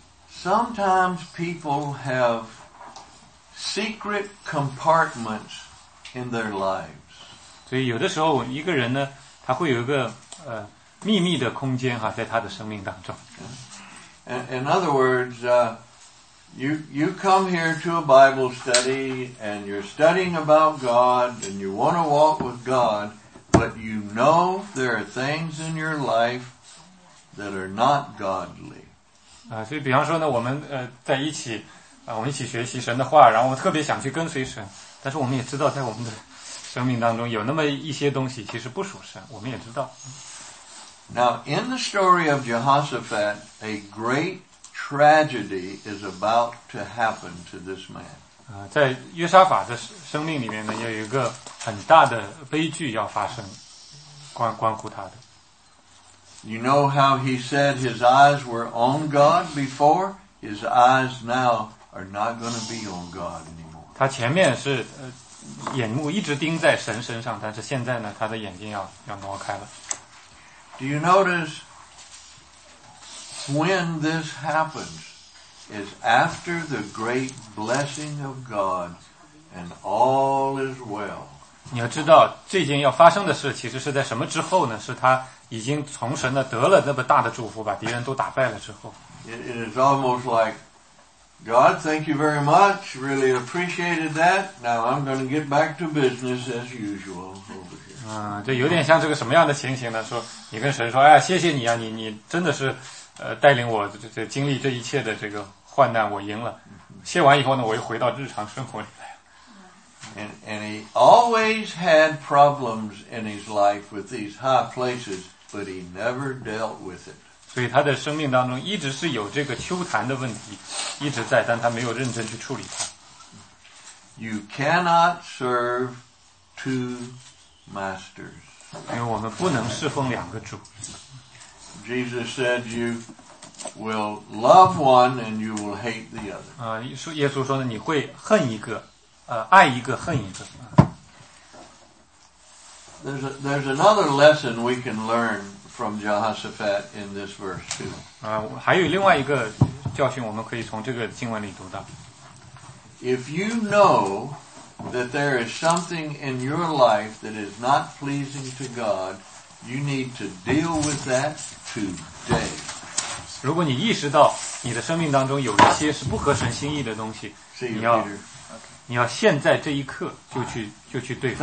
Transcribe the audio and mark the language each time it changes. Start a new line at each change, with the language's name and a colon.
English: Sometimes people have secret compartments in their lives.
Chinese: 所以有的时候一个人呢，他会有一个秘密的空间哈，在他的生命当中。
English: In other words, you come here to a Bible study and you're studying about God and you want to walk with God, but you know there are things in your life that are not godly.
Chinese: 所以比方说呢，我们在一起我们一起学习神的话，然后我们特别想去跟随神，但是我们也知道在我们的生命当中有那么一些东西其实不属神，我们也知道。
English: Now, in the story of Jehoshaphat, a great tragedy is about to happen to this man.
Chinese: 在约沙法的生命里面呢，也有一个很大的悲剧要发生，关乎他的。
English: You know how he said his eyes were on God before? His eyes now are not going to be on God anymore.
Chinese: 他前面是眼目一直盯在神身上，但是现在呢，他的眼睛要挪开了。
English: Do you notice when this happens is after the great blessing of God and all is well.
Chinese: 你要知道这件要发生的事其实是在什么之后呢？是他已经从神呢得了那么大的祝福，把敌人都打败了之后。
English: It is almost like, God, thank you very much, really appreciated that. Now I'm going to get back to business as usual over here.
Chinese: 这有点像这个什么样的情形呢？说你跟神说，哎呀，谢谢你啊，你真的是带领我这经历这一切的这个患难，我赢了。谢完以后呢，我又回到日常生活里来。
English: And he always had problems in his life with these high places, but he never dealt with it.
Chinese: 所以他的生命当中一直是有这个秋坛的问题一直在，但他没有认真去处理它。
English: You cannot serve two masters.
Chinese: 因为我们不能侍奉两个主。
English: Jesus said you will love one and you will hate the other.
Chinese: 耶稣说呢，你会恨一个。爱一个恨一个。
English: There's another lesson we can learn from Jehoshaphat in this verse too.
Chinese: 还有另外一个教训我们可以从这个经文里读到。
English: If you know that there is something in your life that is not pleasing to God, you need to deal with that today.
Chinese: 如果你意识到你的生命当中有一些是不合神心意的东西，
English: See you, Peter.
Chinese: 你要现在这一刻就去对付。